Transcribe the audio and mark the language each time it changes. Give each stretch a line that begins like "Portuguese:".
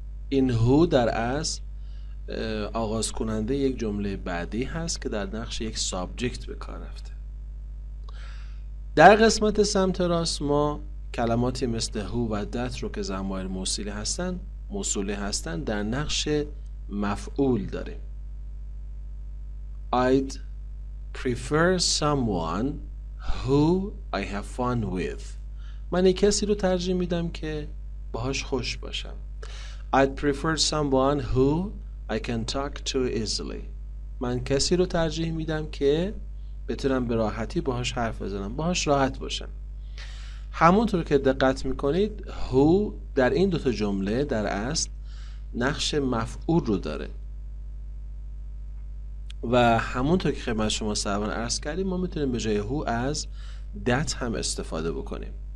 Persian: این هو در اصل آغاز کننده یک جمله بعدی هست که در نقش یک سابجکت به کار رفته. در قسمت سمت راست ما کلماتی مثل هو و دت رو که ضمایر موصولی هستن در نقش مفعول داریم.
English: I'd prefer someone who I have fun with.
Persian: من یک کسی رو ترجیح میدم که باهاش خوش باشم.
English: I'd prefer someone who I can talk to easily.
Persian: من کسی رو ترجیح میدم که بتونم به راحتی باهاش حرف بزنم، باهاش راحت باشم. همونطور که دقت میکنید هو در این دوتا جمله در اصل نقش مفعول رو داره و همونطور که خدمت شما سروان عرض کردیم ما میتونیم به جای هو از دت هم استفاده بکنیم.